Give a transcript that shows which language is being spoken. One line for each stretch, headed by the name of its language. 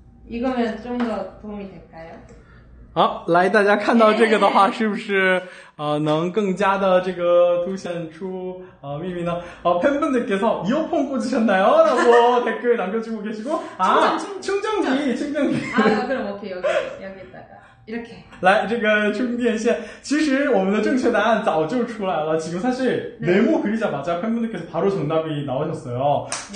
Korean: 이거면좀더도움이될까요
Chinese: 好来大家看到这个的话是不是能更加的这个凸显出秘密呢
Korean: 팬분들께서 이어폰 꽂으셨나요? 라고 댓글 남겨주고 계시고 충전기 그럼 오케이 여기다가 이렇게.
Chinese: 来这个充电线，其实我们的正确答案早就出来了。
Korean: 지금 사실 네. 네모 그리자마자 팬분들께서 바로 정답이 나오셨어요.